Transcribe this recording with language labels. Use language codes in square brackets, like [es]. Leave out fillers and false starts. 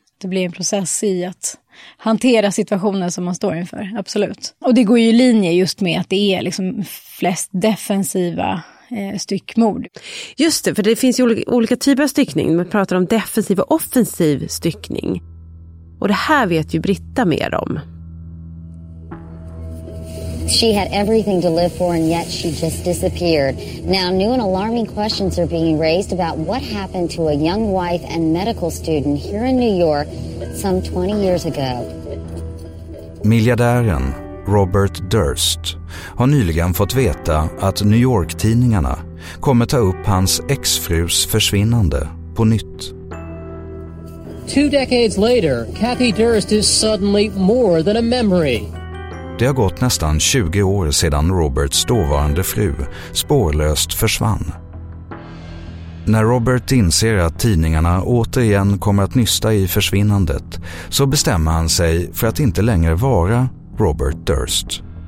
[sv] Det blir en process i att hantera situationen som man står inför, absolut. Och det går ju i linje just med att det är liksom flest defensiva styckmord. Just det, för det finns ju olika typer av styckning. Man pratar om defensiv och offensiv styckning. Och det här vet ju Britta mer om. [en] She had everything to live for and yet she just disappeared. Now new and alarming questions are being raised about what happened to a young wife and medical student here in New York some 20 years ago. [sv] Miljardären Robert Durst har nyligen fått veta att New York-tidningarna kommer ta upp hans exfrus försvinnande på nytt. [en] Two decades later, Kathy Durst is suddenly more than a memory. [sv] Det har gått nästan 20 år sedan Roberts dåvarande fru spårlöst försvann. När Robert inser att tidningarna återigen kommer att nysta i försvinnandet så bestämmer han sig för att inte längre vara Robert Durst.